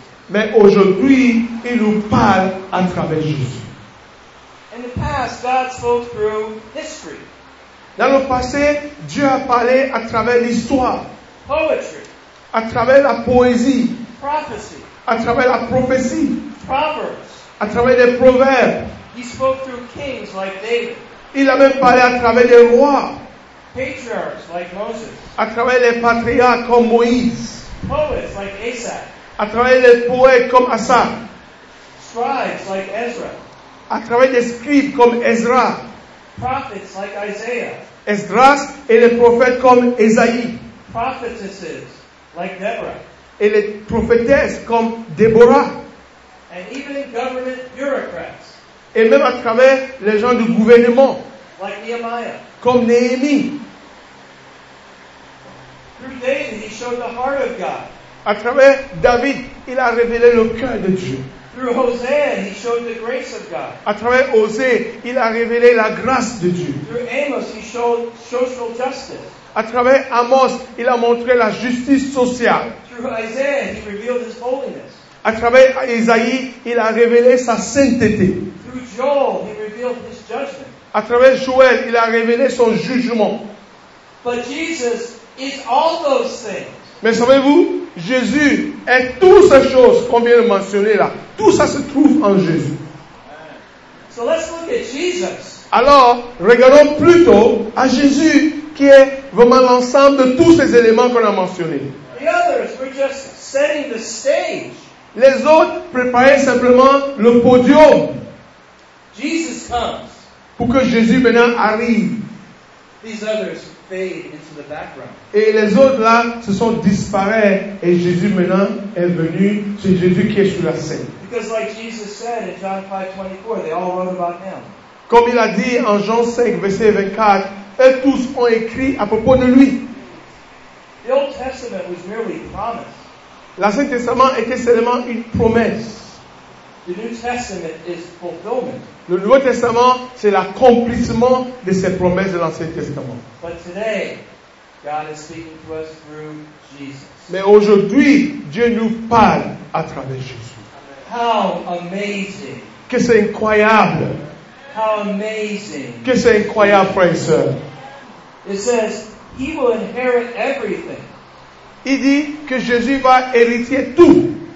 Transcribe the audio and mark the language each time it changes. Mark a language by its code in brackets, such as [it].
[fr] Mais aujourd'hui, il nous parle à travers Jésus. [en] In the past, God spoke through history. [fr] Dans le passé, Dieu a parlé à travers l'histoire. [en] Poetry. [fr] À travers la poésie. [en] Prophecy. [fr] À travers la prophétie. [en] Proverbs. [fr] À travers des proverbes. [en] He spoke through kings like David. [fr] Il a même parlé à travers des rois. [en] Patriarchs like Moses. [fr] À travers les patriarches comme Moïse. [en] Poets like Asaph. [fr] À travers les poètes comme Asaph. [en] Scribes like Ezra. [fr] À travers des scribes comme Ezra. [en] Prophets like Isaiah. [fr] Esdras et les prophètes comme Esaïe. [en] Prophetesses like Deborah. [fr] Et les prophétesses comme Déborah. [en] And even in government bureaucrats. [fr] Et même à travers les gens du gouvernement. [en] Like Nehemiah. [fr] Comme Néhémie. [en] Through David, he showed the heart of God. [fr] À travers David, il a révélé le cœur de Dieu. [en] Through Hosea, he showed the grace of God. [fr] À travers Hosea, il a révélé la grâce de Dieu. [en] Through Amos, he showed social justice. [fr] À travers Amos, il a montré la justice sociale. [en] Through Isaiah, he revealed his holiness. [fr] À travers Isaïe, il a révélé sa sainteté. [en] Through Joel, he revealed his judgment. [fr] À travers Joël, il a révélé son jugement. [en] But Jesus is all those things. [fr] Mais savez-vous, Jésus est toutes ces choses qu'on vient de mentionner là. Tout ça se trouve en Jésus. [en] So let's look at Jesus. [fr] Alors, regardons plutôt à Jésus qui est vraiment l'ensemble de tous ces éléments qu'on a mentionnés. [en] The others were just setting the stage. [fr] Les autres préparaient simplement le podium. [en] Jesus comes. [fr] Pour que Jésus maintenant arrive. [en] These others fade into the background. [fr] Et les autres là se sont disparus et Jésus maintenant est venu. C'est Jésus qui est sur la scène. [en] Because like Jesus said in John 5:24, they all wrote about him. [fr] Comme il a dit en Jean 5, verset 24, eux tous ont écrit à propos de lui. [en] The Old Testament was merely promise. [fr] L'Ancien Testament était seulement une promesse. [en] The New Testament is fulfillment. [fr] Le Nouveau Testament, c'est l'accomplissement de ces promesses de l'Ancien Testament. [en] But today, God is speaking to us through Jesus. [fr] Mais aujourd'hui, Dieu nous parle à travers Jésus. [en] How amazing. [fr] Que c'est incroyable. [en] How amazing. [fr] Que c'est incroyable, frère et sœur. [en] It says, he will inherit everything. [fr] Il dit que Jésus va hériter tout.